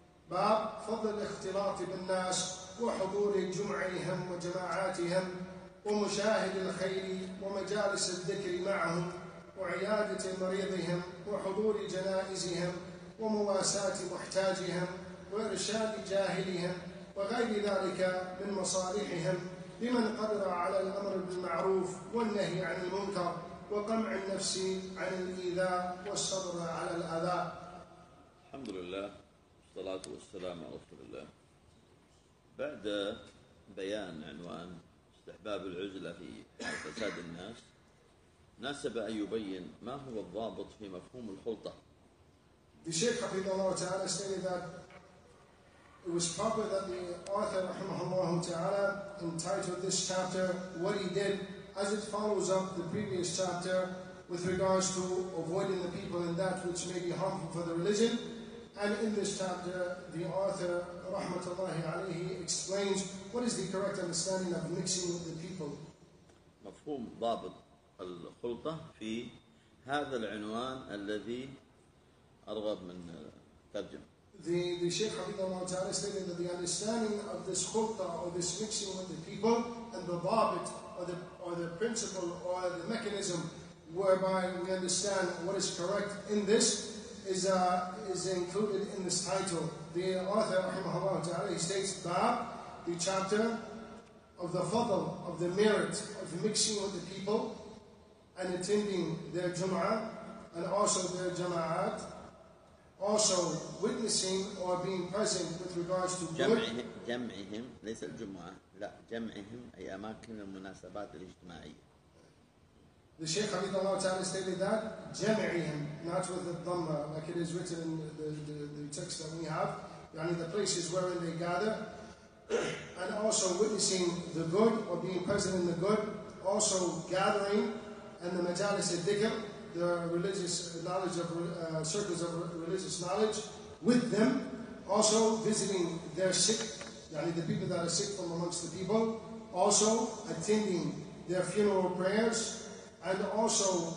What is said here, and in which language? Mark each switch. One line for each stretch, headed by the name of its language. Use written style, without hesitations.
Arabic: باب فضل الاختلاط بالناس وحضور جمعهم وجماعاتهم ومشاهد الخير ومجالس الذكر معهم وعيادة مريضهم وحضور جنائزهم ومواساة محتاجهم وإرشاد جاهلهم وغير ذلك من مصالحهم لمن قدر على الأمر بالمعروف والنهي عن المنكر وقمع النفس عن الإيذاء والصبر على الأذى. الحمد لله والصلاة والسلام على رسول الله. بعد بيان عنوان استحباب العزلة في فساد الناس, ناسب أن يبين ما هو الضابط في مفهوم الخلطة.
English: The Shaykh
Arabic: حفظه الله تعالى
English: stated that it was proper that the author
Arabic: رحمه الله تعالى
English: entitled this chapter what he did, as it follows up the previous chapter with regards to avoiding the people and that which may be harmful for the religion. And in this chapter, the author
Arabic: رحمة الله عليه
English: explains what is the correct understanding of mixing with the people.
Arabic: مفهوم ضابط الخلطة في هذا العنوان الذي أرغب من ترجمة.
English: The Shaykh
Arabic: حفظه الله تعالى
English: stated that the understanding of this خلطة or this mixing with the people and the ضابط or the principle or the mechanism whereby we understand what is correct in this is included in this title. The author
Arabic: رحمه الله تعالى
English: states that the chapter of the فضل of the merit of mixing with the people and attending their Jum'ah, and also their Jama'at, also witnessing or being present with regards to good.
Arabic: جمعهم ليس الجمعه, لا جمعهم اي اماكن المناسبات الاجتماعيه.
English: The Shaykh
Arabic: حفظه الله تعالى
English: stated that جمعهم, not with the dhamma like it is written in the text that we have, يعني the places wherein they gather, and also witnessing the good or being present in the good, also gathering and the majalis al-dhikr, the religious knowledge of circles of religious knowledge with them, also visiting their sick, yani the people that are sick from amongst the people, also attending their funeral prayers, and also